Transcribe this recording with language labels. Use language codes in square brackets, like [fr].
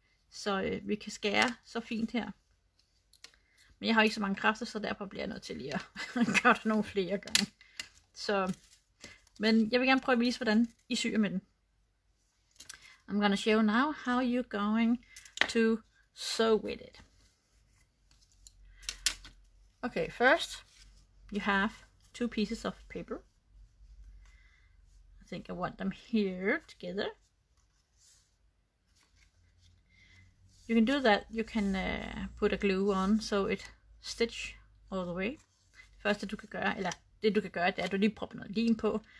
[da] Så vi kan skære så fint her. Men jeg har ikke så mange kræfter, så derfor bliver jeg nødt til lige at gøre det nogle flere gange. Så... men jeg vil gerne prøve at vise, hvordan I syr med den. [en] I'm gonna show now how you're going to sew with it. Okay, first you have 2 pieces of paper. I think I want them here together. You can do that, you can put a glue on, so it stitch all the way. [da] Det første du kan gøre, eller det du kan gøre, det er, at du lige propper noget lim på.